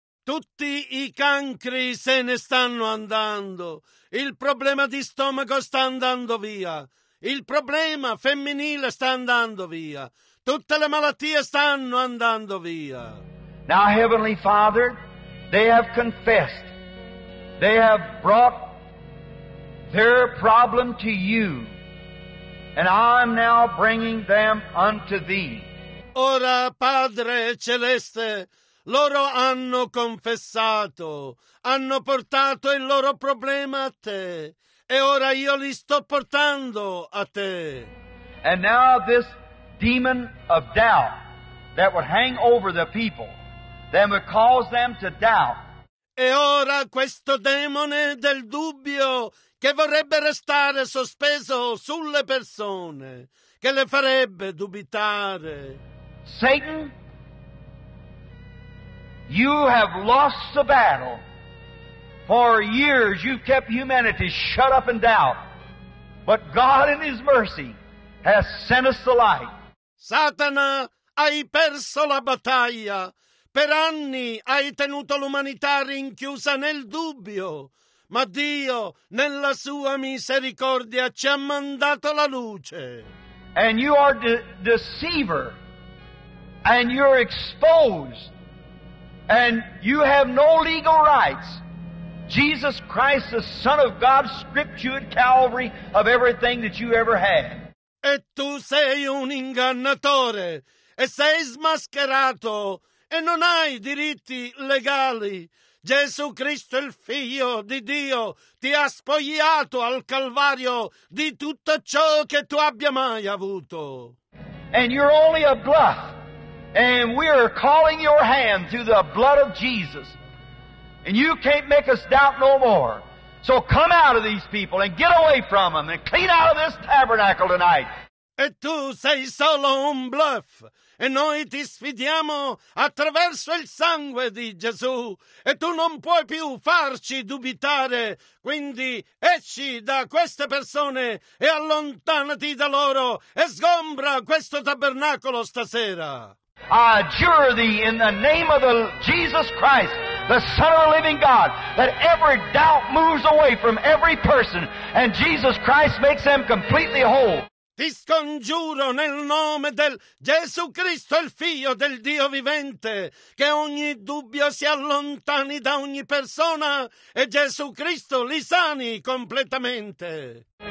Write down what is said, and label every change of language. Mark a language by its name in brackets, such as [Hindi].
[Italian] Tutti i cancri se ne stanno andando. Il problema di stomaco sta andando via. Il problema femminile sta andando via. Tutte le malattie stanno andando via. [English] Now, Heavenly Father, they have confessed. They have brought their problem to you. And I'm now bringing them unto thee. [Italian] Ora, Padre Celeste, loro hanno confessato, hanno portato il loro problema a te, e ora io li sto portando a te. [English] And now this demon of doubt that would hang over the people, that would cause them to doubt. [Italian] E ora questo demone del dubbio che vorrebbe restare sospeso sulle persone, che le farebbe dubitare. [English] Satan, you have lost the battle. For years you've kept humanity shut up in doubt. But God in His mercy has sent us the light. [Italian] Satana, hai perso la battaglia. Per anni hai tenuto l'umanità rinchiusa nel dubbio. Ma Dio, nella sua misericordia, ci ha mandato la luce. [English] And you are the deceiver, and you're exposed, and you have no legal rights. Jesus Christ, the Son of God, stripped you at Calvary of everything that you ever had. [Italian] E tu sei un ingannatore, e sei smascherato, e non hai diritti legali. Gesù Cristo, il Figlio di Dio, ti ha spogliato al Calvario di tutto ciò che tu abbia mai avuto. [English] And you're only a bluff. And we are calling your hand through the blood of Jesus. And you can't make us doubt no more. So come out of these people and get away from them and clean out of this tabernacle tonight. [Italian] E tu sei solo un bluff. E noi ti sfidiamo attraverso il sangue di Gesù. E tu non puoi più farci dubitare. Quindi esci da queste persone e allontanati da loro e sgombra questo tabernacolo stasera. [English] I adjure thee in the name of the Jesus Christ, the Son of the living God, that every doubt moves away from every person and Jesus Christ makes them completely whole. [Italian] Ti scongiuro nel nome del Gesù Cristo, il Figlio del Dio vivente, che ogni dubbio si allontani da ogni persona e Gesù Cristo li sani completamente.